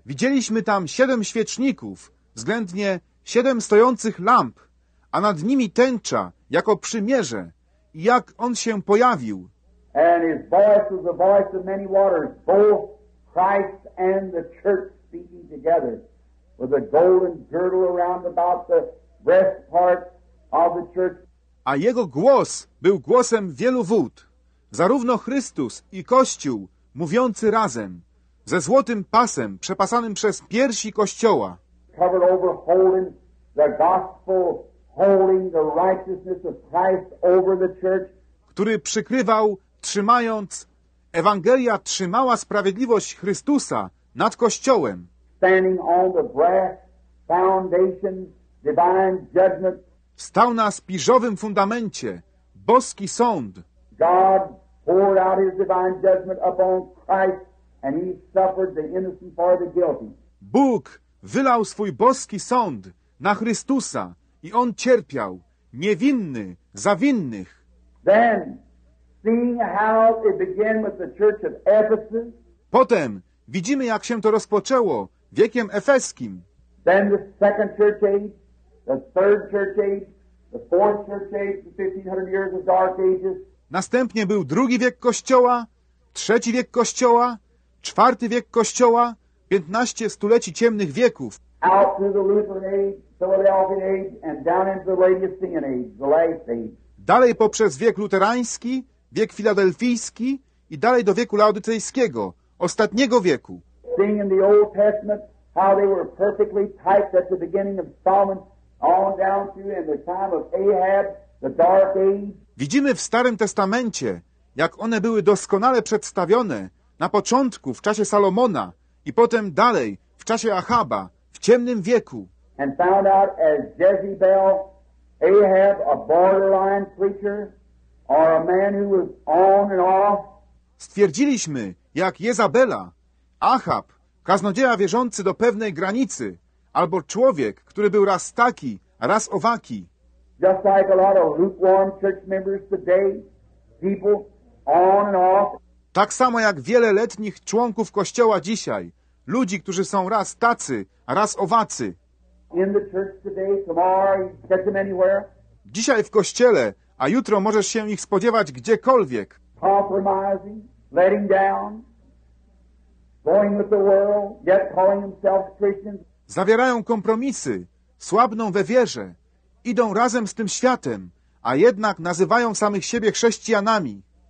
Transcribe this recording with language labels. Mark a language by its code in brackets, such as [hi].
[pl] Widzieliśmy tam siedem świeczników, względnie siedem stojących lamp, a nad nimi tęcza, jako przymierze, i jak on się pojawił. [en] And his voice was the voice of many waters, both Christ and the church speaking together, with a golden girdle around about the breastplate of the church. [pl] A jego głos był głosem wielu wód, zarówno Chrystus i Kościół mówiący razem, ze złotym pasem przepasanym przez piersi Kościoła. [en] Covered over holding the gospel, holding the righteousness of Christ over the church. [pl] Który przykrywał, trzymając, Ewangelia trzymała sprawiedliwość Chrystusa nad Kościołem. [en] Standing on the brass foundation, divine judgment. [pl] Stał na spiżowym fundamencie, boski sąd. [en] God poured out his divine judgment upon Christ, and he suffered the innocent for the guilty. [pl] Bóg wylał swój boski sąd na Chrystusa i on cierpiał, niewinny za winnych. [en] Then, seeing how it began with the church of Ephesus. [pl] Potem widzimy, jak się to rozpoczęło wiekiem efeskim. [en] Then the second church age, the third church age, the fourth church age, the 1500 years of dark ages. [pl] Następnie był drugi wiek Kościoła, trzeci wiek Kościoła, czwarty wiek Kościoła, 15 stuleci ciemnych wieków. [en] Out to the Lutheran age, Philadelphia age, and down into the Laodicean age, the last age. [pl] Dalej poprzez wiek luterański, wiek filadelfijski i dalej do wieku laodycejskiego, ostatniego wieku. [en] Seeing in the Old Testament how they were perfectly typed at the beginning of Solomon, on down through in the time of Ahab, the dark age. [pl] Widzimy w Starym Testamencie, jak one były doskonale przedstawione na początku, w czasie Salomona i potem dalej, w czasie Achaba, w ciemnym wieku. [en] And found out as Jezebel, Ahab, a borderline preacher, or a man who was on and off. [pl] Stwierdziliśmy, jak Jezabela, Achab, kaznodzieja wierzący do pewnej granicy, albo człowiek, który był raz taki, raz owaki. [en] Just like a lot of lukewarm church members today, people on and off. [pl] Tak samo jak wiele letnich członków Kościoła dzisiaj, ludzi, którzy są raz tacy, raz owacy. [en] In the church today, tomorrow, get them anywhere. [pl] Dzisiaj w Kościele, a jutro możesz się ich spodziewać gdziekolwiek. [en] Compromising, letting down, going with the world, yet calling themselves Christians. [pl] Zawierają kompromisy, słabną we wierze, idą razem z tym światem, a jednak nazywają samych siebie chrześcijanami.